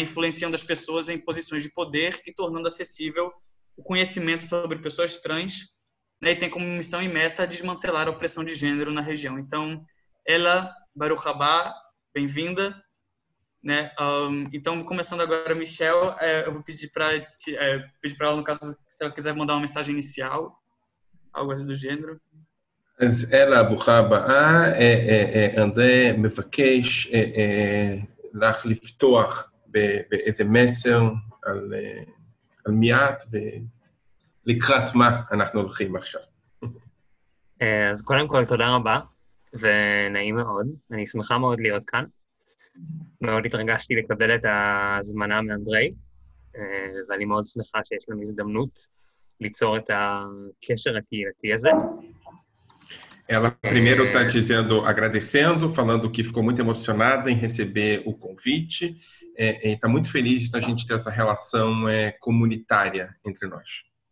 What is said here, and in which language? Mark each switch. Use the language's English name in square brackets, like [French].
[Portuguese] Influenciando as pessoas em posições de poder e tornando acessível o conhecimento sobre pessoas trans, né? E tem como missão e meta desmantelar a opressão de gênero na região. Então, ela, [Hebrew] Baruch haba, [Portuguese] bem-vinda. Né? Então, começando agora, Michel, eu vou pedir para ela, no caso, se ela quiser mandar uma mensagem inicial, algo do gênero. [Hebrew] אלה ברוכה הבאה, אנדרה מבקש לך לפתוח באיזה מסר על מי את ולקראת מה אנחנו הולכים עכשיו. אז קודם כל, תודה רבה, ונעים מאוד. אני שמחה מאוד להיות כאן. מאוד התרגשתי לקבל את ההזמנה מאנדריי, ואני מאוד שמחה שיש לנו הזדמנות ליצור את הקשר הקהילתי הזה. [Portuguese] Ela primeiro está dizendo, agradecendo, falando que ficou muito emocionada em receber o convite, e está muito feliz da gente ter essa relação comunitária entre nós.